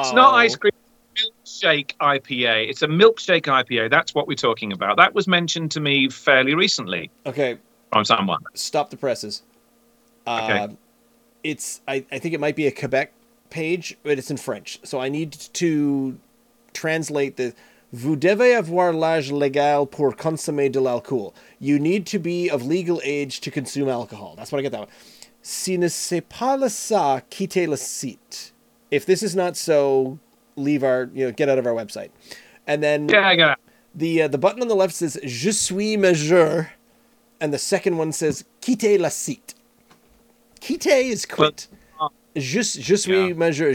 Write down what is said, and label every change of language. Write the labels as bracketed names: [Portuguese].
[English] It's not ice cream. Milkshake IPA. It's a milkshake IPA. That's what we're talking about. That was mentioned to me fairly recently. Okay. From someone. Stop the presses. Okay. I think it might be a Quebec page, but it's in French. So I need to translate the [French] "Vous devez avoir l'âge légal pour consommer de l'alcool." [English] You need to be of legal age to consume alcohol. That's what I get that one. [French] Si ne c'est pas le ça, quittez le site. [English] If this is not so, leave our, you know, get out of our website. And then yeah, I got it. The button on the left says [French] "Je suis majeur," [English] and the second one says [French] "Quittez le site." [English] Quitte is quit. [French] Je suis majeur.